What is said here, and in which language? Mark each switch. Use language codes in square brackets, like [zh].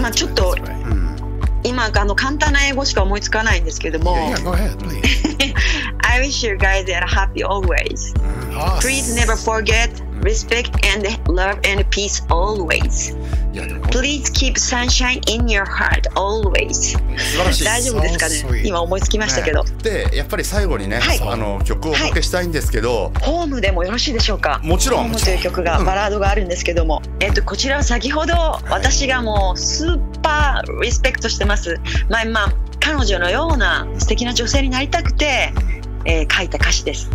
[ja] ん、まあちょっと今簡単な英語しか思いつかないんですけども、 [en] yeah, yeah, go ahead, please. I wish you guys are happy always. Please never forget respect and love and peace always. Please keep sunshine in your heart always. [ja] 素晴らしい。大丈夫ですかね、今思いつきましたけど、ね、でやっぱり最後にね、はい、曲をおかけしたいんですけど、はい、ホームでもよろしいでしょうか。もちろんホームという曲が、バラードがあるんですけども、うん、こちらは先ほど私がもうスーパーリスペクトしてます、はい、彼女のような素敵な女性になりたくて、書いた歌詞です。